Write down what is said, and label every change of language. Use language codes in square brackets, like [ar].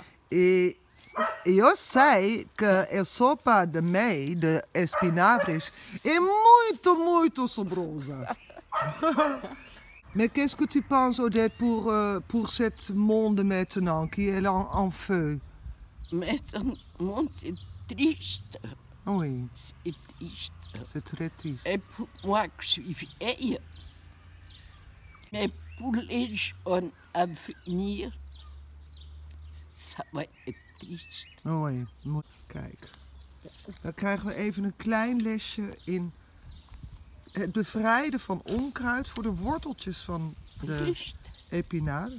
[pt] E eu sei que a sopa de mei, de espinafres, é muito, muito sabrosa. [fr] Mais qu'est-ce que tu penses, Odette, pour ce monde maintenant, qui est en feu? Mais ce monde, c'est triste. Oui. C'est triste. C'est très triste. Et pour moi, que je suis vieille, mais pour les jeunes à venir, ça va être triste. Oui. [nl] Kijk. Dan krijgen we even een klein lesje in het bevrijden van onkruid voor de worteltjes van de epinaar.